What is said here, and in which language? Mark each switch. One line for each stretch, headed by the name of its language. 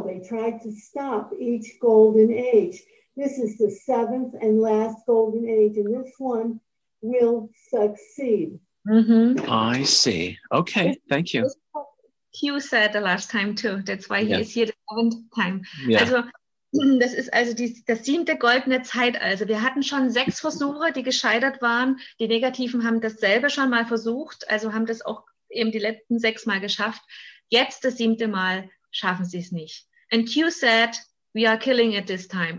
English: They tried to stop each golden age. This is the seventh and last golden age, and this one will succeed. Mm-hmm. I see. Okay, thank you. Hugh said the last time too. That's why he is here the 7th time.
German: Yeah. Also, das ist also das 7. goldene Zeitalter. Also, wir hatten schon 6 Versuche, die gescheitert waren. Die Negativen haben dasselbe schon mal versucht, also haben das auch eben die letzten 6 Mal geschafft. Jetzt, das 7. Mal, schaffen sie es nicht.
English: And Hugh said, we are killing it this time.